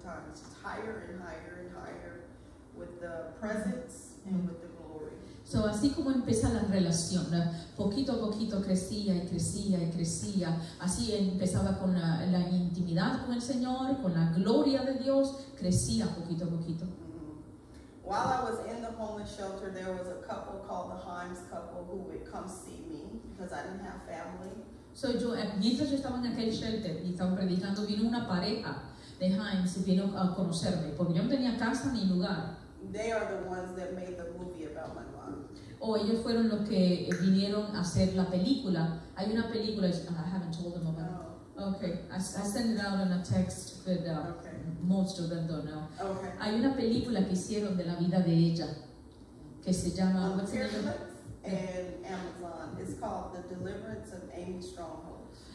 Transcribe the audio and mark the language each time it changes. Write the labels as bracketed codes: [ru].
[en] It's higher and higher and higher. With the presence and with the glory. [es] So así como empieza la relación, poquito a poquito crecía y crecía y crecía. Así empezaba con la intimidad con el Señor, con la gloria de Dios, crecía poquito a poquito. Mm-hmm. [en] While I was in the homeless shelter, there was a couple called the Himes couple who would come see me because I didn't have family. [es] So yo, mientras yo estaba en aquel shelter y estaba predicando, vino una pareja de Himes y vino a conocerme porque yo no tenía casa ni lugar. [en] They are the ones that made the movie about my mom. [es] Ellos fueron los que vinieron a hacer la película. Hay una película, [en] and I haven't told them about it. Okay, I sent it out on a text, but most of them don't know. Okay. [es] Hay una película que hicieron de la vida de ella, que se llama... [en] On Netflix and Amazon. It's called The Deliverance of Amy Strongholds.